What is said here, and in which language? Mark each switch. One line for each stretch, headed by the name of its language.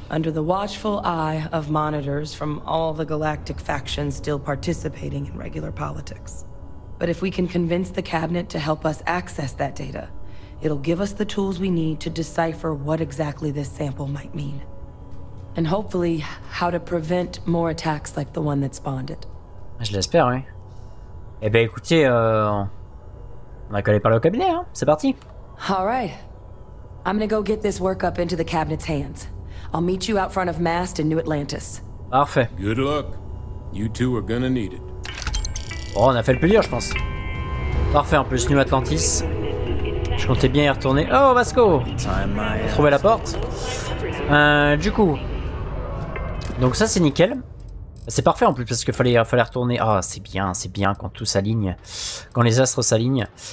English: Under the watchful eye of monitors from all the galactic factions still participating in regular politics. But if we can convince the cabinet to help us access that data, it'll give us the tools we need to decipher what exactly this sample might mean. And hopefully, how to prevent more attacks like the one that spawned it.
French: Je l'espère, oui. Eh bien, écoutez, on va coller par le cabinet, hein. C'est parti.
English: All right. I'm gonna go get this workup into the cabinet's hands. I'll meet you out front of MAST in New Atlantis.
French: Parfait.
English: Good luck. You two are gonna need it.
French: Oh, on a fait le plus dur, je pense. Parfait, en plus, New Atlantis. Je comptais bien y retourner. Oh, Vasco! Trouver la porte. Du coup. Donc, ça, c'est nickel. C'est parfait en plus parce qu'il fallait retourner. Ah, c'est bien quand tout s'aligne. Quand les astres s'alignent.